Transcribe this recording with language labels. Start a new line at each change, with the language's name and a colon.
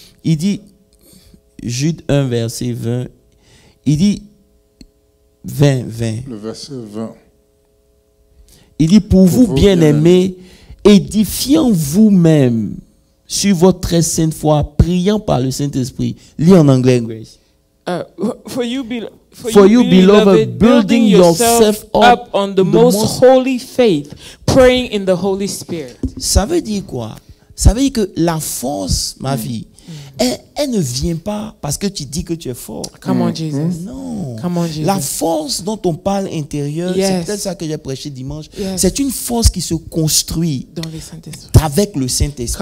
French: Il dit, Jude 1, verset 20, il dit 20. Le verset 20. Il dit, pour vous bien-aimés, édifiant vous-même sur votre très sainte foi, priant par le Saint-Esprit. Lis en anglais, Grace.
English: For you, beloved, building yourself up on the most holy faith, praying in the Holy Spirit.
French: Ça veut dire quoi? Ça veut dire que la force, ma vie, elle ne vient pas parce que tu dis que tu es fort.
English: Come on, Jesus.
French: Non.
English: Come on, Jesus.
French: La force dont on parle intérieure, c'est peut-être ça que j'ai prêché dimanche, c'est une force qui se construit dans le Saint-Esprit. Avec le Saint-Esprit.